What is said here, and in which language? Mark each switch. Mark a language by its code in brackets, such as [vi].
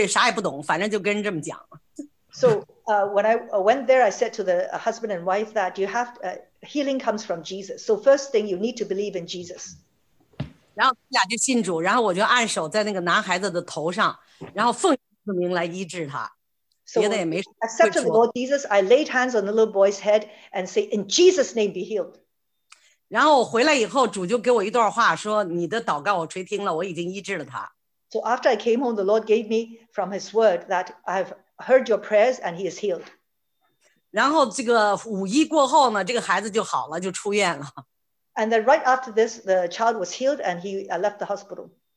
[zh] 然后我爸爸也是一个印证，开始他不同意，后来他同意我去看。后来我去了以后，我就跟他们夫妻讲，我说医治的是耶稣，啊，我说你们两个人要先相信，来相信耶稣。我那时候也啥也不懂，反正就跟人这么讲。 So [en] When I went there, I said to the husband and wife that you have healing comes from Jesus. So first thing, you need to believe in Jesus. [zh] 然后他俩就信主，然后我就按手在那个男孩子的头上，然后奉主的名来医治他，别的也没说。 So [en] accept the Lord Jesus, I laid hands on the little boy's head and say, in Jesus' name, be healed. [zh] 然后我回来以后，主就给我一段话说，你的祷告我垂听了，我已经医治了他。 So [en] after I came home, the Lord gave me from his word that I've heard your prayers and he is healed. [zh] 然后这个五一过后呢，这个孩子就好了，就出院了。 And [en] then right after this, the child was healed and he left the hospital.